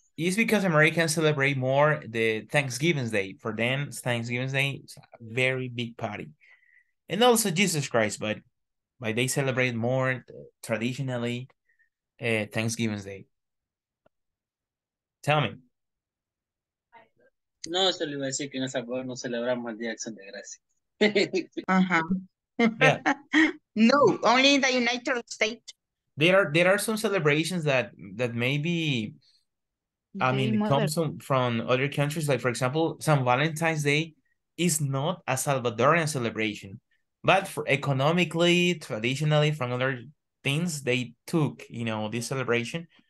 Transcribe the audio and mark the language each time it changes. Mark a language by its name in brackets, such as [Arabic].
[English] It's because Americans celebrate more the Thanksgiving Day. For them, Thanksgiving Day is a very big party. And also Jesus Christ, but they celebrate more traditionally Thanksgiving Day. Tell me. [Spanish] No, solo iba a decir que en El Salvador no celebramos el Día de Acción de Gracias. [English] Uh-huh. Yeah. No, only in the United States. There are some celebrations that maybe, I mean, comes from other countries. Like, for example, San Valentine's Day is not a Salvadorian celebration. But for economically, traditionally, from other things, they took, you know, this celebration.